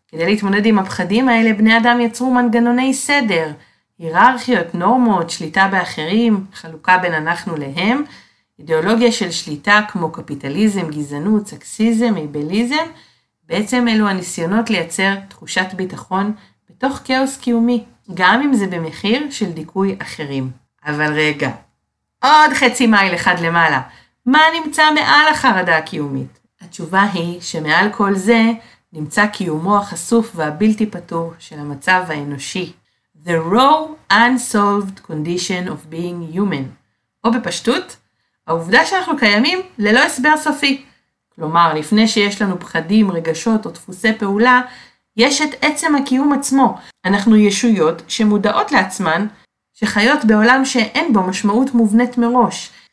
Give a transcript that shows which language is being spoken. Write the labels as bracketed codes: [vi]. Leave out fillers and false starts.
[he] כדי להתמודד עם הפחדים האלה, בני אדם יצרו מנגנוני סדר, היררכיות, נורמות, שליטה באחרים, חלוקה בין אנחנו להם, אידיאולוגיה של שליטה כמו קפיטליזם, גזענות, סקסיזם, איבליזם, בעצם אלו הניסיונות לייצר תחושת ביטחון בתוך כאוס קיומי, גם אם זה במחיר של דיכוי אחרים. אבל רגע, עוד חצי מייל אחד למעלה, מה נמצא מעל החרדה הקיומית? התשובה היא שמעל כל זה נמצא קיומו החשוף והבלתי פתור של המצב האנושי. [en] The raw unsolved condition of being human. [he] או בפשטות, העובדה שאנחנו קיימים ללא הסבר סופי. כלומר, לפני שיש לנו פחדים, רגשות או דפוסי פעולה, יש את עצם הקיום עצמו. אנחנו ישויות שמודעות לעצמן, שחיות בעולם שאין בו משמעות מובנית מראש.